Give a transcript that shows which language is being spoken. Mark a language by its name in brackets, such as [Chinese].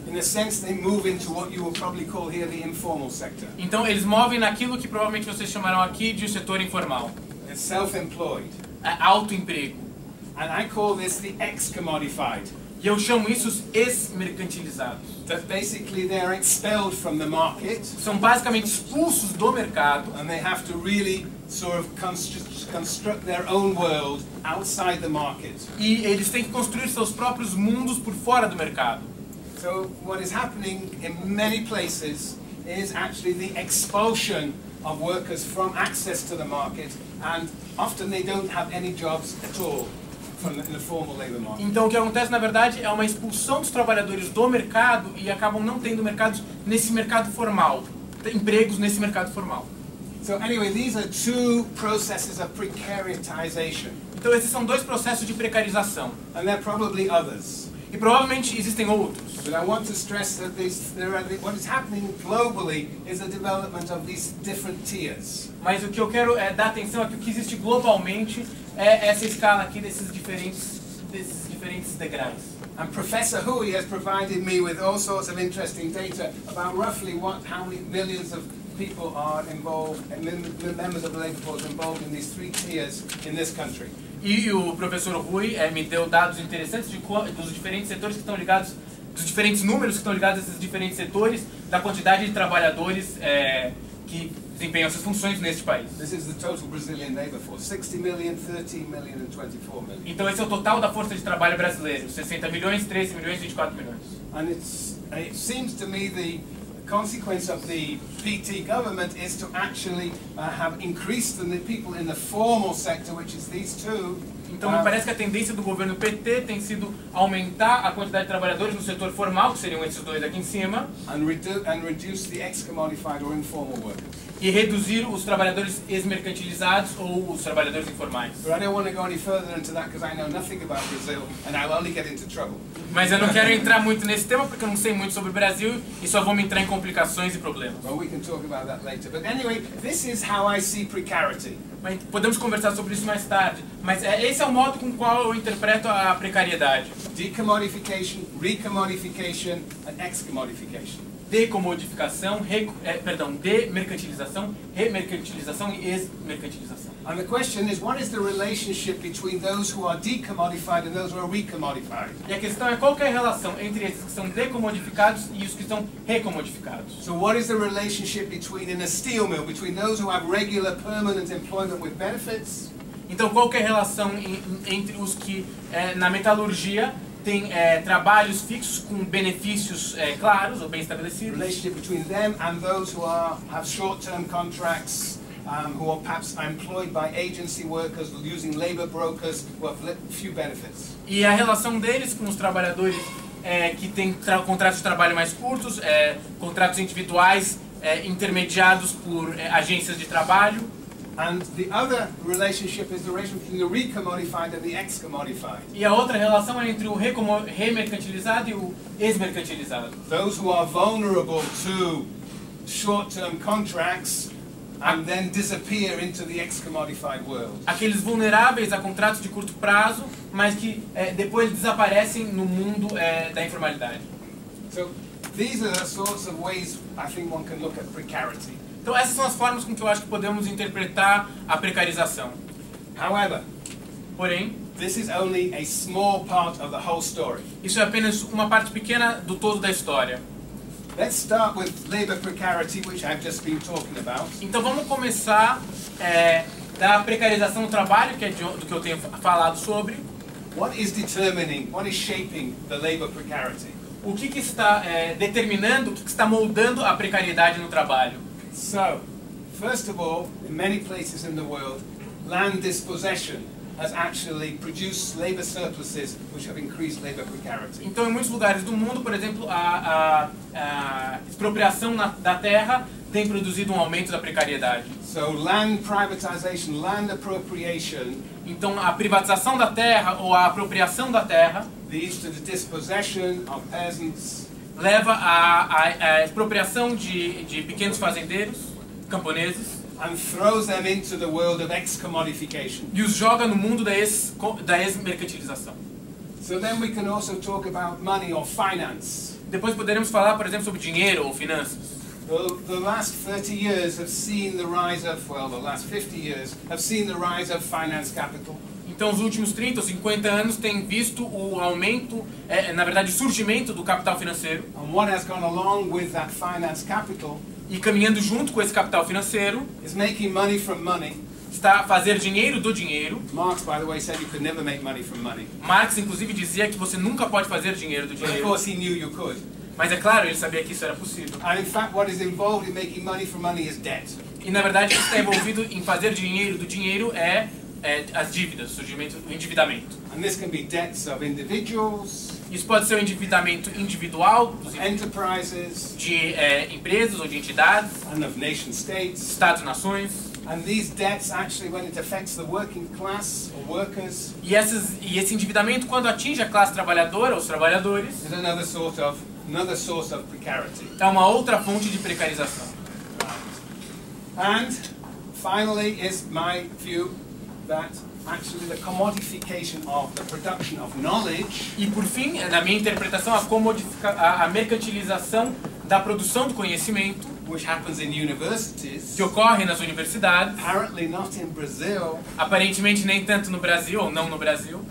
[English] In a sense, they move into what you will probably call here the informal sector. [Portuguese] Então eles movem naquilo que provavelmente vocês chamarão aqui de setor informal. [English] It's self-employed. [Portuguese] É autoemprego. [English] And I call this the ex-commodified. [Portuguese] E eu chamo isso os ex-mercantilizados. [English] That basically they are expelled from the market. [Portuguese] São basicamente expulsos do mercado. [English] And they have to really sort of construct their own world outside the market. [Portuguese] E eles têm que construir seus próprios mundos por fora do mercado. [English] So what is happening in many places is actually the expulsion of workers from access to the market, and often they don't have any jobs at all from the formal labor market. [Portuguese] Então o que acontece, na verdade, é uma expulsão dos trabalhadores do mercado e acabam não tendo mercados nesse mercado formal, empregos nesse mercado formal. [English] So anyway, these are two processes of precaritization. [Portuguese] Então esses são dois processos de precarização. [English] And there are probably others. [Portuguese] E provavelmente existem outros. [English] But I want to stress that what is happening globally is the development of these different tiers. [Portuguese] Mas o que eu quero dar atenção é que o que existe globalmente é essa escala aqui desses diferentes degraus. [English] And Professor Hui has provided me with all sorts of interesting data about roughly how many millions of people are involved, and members of the labor force involved in these three tiers in this country. [Portuguese] E o professor Rui me deu dados interessantes dos diferentes setores que estão ligados, dos diferentes números que estão ligados a esses diferentes setores, da quantidade de trabalhadores que desempenham essas funções neste país. [English] This is the total Brazilian labor force: 60 million, 13 million, and 24 million. [Portuguese] Então esse é o total da força de trabalho brasileira: 60 milhões, 13 milhões, 24 milhões. [English] And it seems to me the consequence of the PT government is to actually have increased the people in the formal sector, which is these two, [Portuguese] Então, me parece que a tendência do governo PT tem sido aumentar a quantidade de trabalhadores no setor formal, que seriam esses dois aqui em cima, [English] and reduce the ex-commodified or informal workers. [Portuguese] E reduzir os trabalhadores ex-mercantilizados ou os trabalhadores informais. [English] But I don't want to go any further into that because I know nothing about Brazil and I'll only get into trouble. [Portuguese] Mas eu não quero entrar muito nesse tema porque eu não sei muito sobre o Brasil e só vou me entrar em complicações e problemas. [English] Well, we can talk about that later. But anyway, this is how I see precarity. [Portuguese] Mas podemos conversar sobre isso mais tarde. Mas esse é o modo com o qual eu interpreto a precariedade. [English] Decommodification, recommodification and ex-commodification. [Portuguese] Decomodificação, demercantilização, remercantilização e ex-mercantilização. [English] And the question is, what is the relationship between those who are decommodified and those who are recommodified? [Portuguese] E a questão é qual que é a relação entre esses que são decomodificados e os que são recomodificados. [English] So what is the relationship between in a steel mill, between those who have regular permanent employment with benefits? [Portuguese] Então qual que é a relação entre os que na metalurgia tem trabalhos fixos com benefícios claros ou bem estabelecidos. [English] Relationship between them and those who have short-term contracts. Who are perhaps employed by agency workers using labor brokers who have few benefits. [Portuguese] E a relação deles com os trabalhadores que têm contratos de trabalho mais curtos, contratos individuais intermediados por agências de trabalho. [English] And the other relationship is the relationship between the recommodified and the ex-commodified. [Portuguese] E a outra relação é entre o remercantilizado e o ex-mercantilizado. [English] Those who are vulnerable to short-term contracts and then disappear into the ex-commodified world. [Portuguese] Aqueles vulneráveis a contratos de curto prazo, mas que depois desaparecem no mundo da informalidade. [English] So, these are the sorts of ways I think one can look at precarity. [Portuguese] Então, essas são as formas com que eu acho que podemos interpretar a precarização. [English] However, [Portuguese] porém, [English] this is only a small part of the whole story. [Portuguese] Isso é apenas uma parte pequena do todo da história. [English] Let's start with labor precarity, which I've just been talking about. [Portuguese] Então vamos começar da precarização do trabalho, que é do que eu tenho falado sobre. [English] What is determining, what is shaping the labor precarity? [Portuguese] O que que está determinando, o que que está moldando a precariedade no trabalho? [English] So, first of all, in many places in the world, land dispossession has actually produced labor surpluses which have increased labor precarity. [Portuguese] Então, em muitos lugares do mundo, por exemplo, a expropriação da terra tem produzido um aumento da precariedade. [English] So, land privatization, land appropriation. [Portuguese] Então, a privatização da terra ou a apropriação da terra [English] leads to the dispossession of peasants. [Portuguese] Leva à expropriação de pequenos fazendeiros, camponeses. [English] And throws them into the world of ex-commodification. [Portuguese] E os joga no mundo da ex-mercantilização. [English] So then we can also talk about money or finance. [Portuguese] Depois poderemos falar, por exemplo, sobre dinheiro ou finanças. [English] The last 30 years have seen the rise of, well, the last 50 years have seen the rise of finance capital. [Portuguese] Então, os últimos 30 ou 50 anos têm visto o aumento, na verdade, o surgimento do capital financeiro. [English] And what has gone along with that finance capital? [Portuguese] E caminhando junto com esse capital financeiro, [English] is making money from money. [Portuguese] Está a fazer dinheiro do dinheiro. [English] Marx, by the way, said you could never make money from money. [Portuguese] Marx, inclusive, dizia que você nunca pode fazer dinheiro do dinheiro. [English] But of course he knew you could. [Portuguese] Mas é claro, ele sabia que isso era possível. [English] And in fact, what is involved in making money from money is debt. [Portuguese] E na verdade, o que está envolvido em fazer dinheiro do dinheiro é as dívidas, o endividamento. [English] And this can be debts of individuals. [Portuguese] Isso pode ser um endividamento individual, [English] enterprises, [Portuguese] de empresas ou de entidades, [English] and of nation states, [Portuguese] estados, nações. [English] And these debts actually when it affects the working class or workers. [Portuguese] E esse endividamento quando atinge a classe trabalhadora ou os trabalhadores, [English] is another source of precarity. [Portuguese] É uma outra fonte de precarização. [English] And finally is my view that actually the commodification of the production of knowledge. [Portuguese] E por fim, na minha interpretação, a mercantilização da produção do conhecimento, [English] which happens in universities, [Portuguese] que ocorre nas universidades, [English] apparently not in Brazil, [Portuguese] aparentemente nem tanto no Brasil, ou não no Brasil,